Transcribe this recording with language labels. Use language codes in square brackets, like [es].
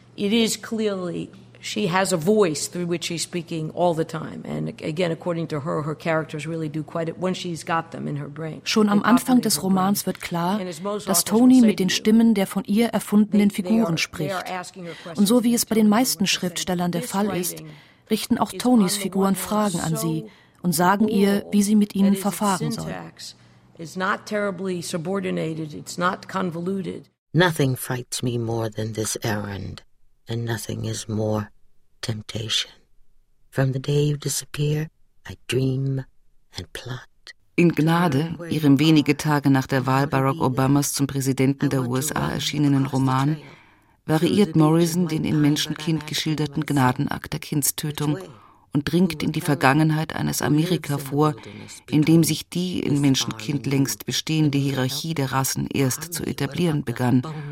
[en] It is clearly, she has a voice through which she's speaking all the time. And again, according to her, her characters really do quite it, once she's got them in her brain. [de] Schon am Anfang des Romans wird klar, dass Toni mit den Stimmen der von ihr erfundenen Figuren spricht. Und so wie es bei den meisten Schriftstellern der Fall ist, richten auch Tonis Figuren Fragen an sie und sagen ihr, wie sie mit ihnen verfahren soll. [en] It's not terribly subordinated, it's not convoluted. Nothing frightens me more than this errand. And nothing is more temptation. From the day you disappear, I dream and plot. [de] In Gnade, ihrem wenige Tage nach der Wahl Barack Obamas zum Präsidenten der USA erschienenen Roman, variiert Morrison den im Menschenkind geschilderten Gnadenakt der Kindstötung und dringt in die Vergangenheit eines Amerika vor, in dem sich die im Menschenkind längst bestehende Hierarchie der Rassen erst zu etablieren begann